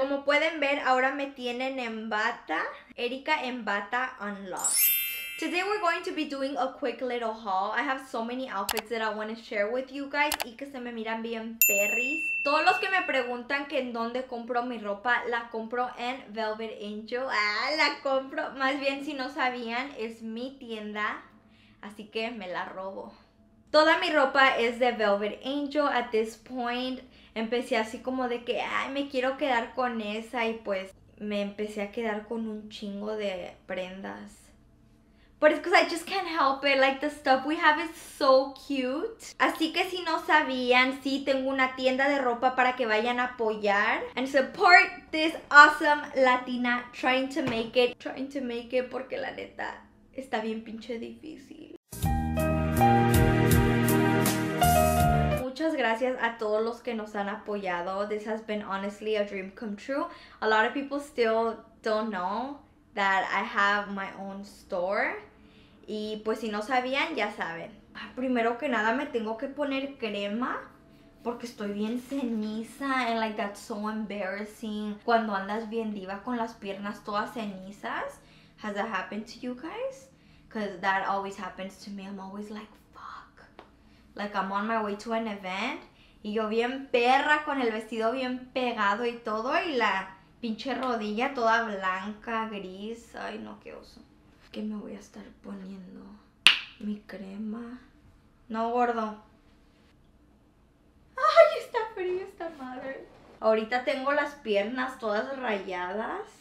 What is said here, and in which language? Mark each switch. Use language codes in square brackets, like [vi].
[es] Como pueden ver, ahora me tienen en bata. Erika en bata unlocked. [en] Today we're going to be doing a quick little haul. I have so many outfits that I want to share with you guys. [es] Y que se me miran bien perris. Todos los que me preguntan que en dónde compro mi ropa, la compro en Velvet Angel. Ah, la compro. Más bien, si no sabían, es mi tienda. Así que me la robo. Toda mi ropa es de Velvet Angel [en] at this point. [es] Empecé así como de que, ay, me quiero quedar con esa. Y pues, me empecé a quedar con un chingo de prendas. [en] But it's because I just can't help it. Like, the stuff we have is so cute. [es] Así que si no sabían, sí, tengo una tienda de ropa para que vayan a apoyar. [en] And support this awesome Latina trying to make it. Trying to make it [es] porque la neta está bien pinche difícil. Muchas gracias a todos los que nos han apoyado. [en] This has been honestly a dream come true. A lot of people still don't know that I have my own store. [es] Y pues si no sabían, ya saben. Primero que nada me tengo que poner crema porque estoy bien ceniza. [en] And like that's so embarrassing. [es] Cuando andas bien diva con las piernas todas cenizas. [en] Has that happened to you guys? Because that always happens to me. I'm always like, like, I'm on my way to an event. [es] Y yo bien perra con el vestido bien pegado y todo. Y la pinche rodilla toda blanca, gris. Ay, no, qué oso. ¿Qué me voy a estar poniendo? Mi crema. No, gordo. Ay, está frío esta madre. Ahorita tengo las piernas todas rayadas.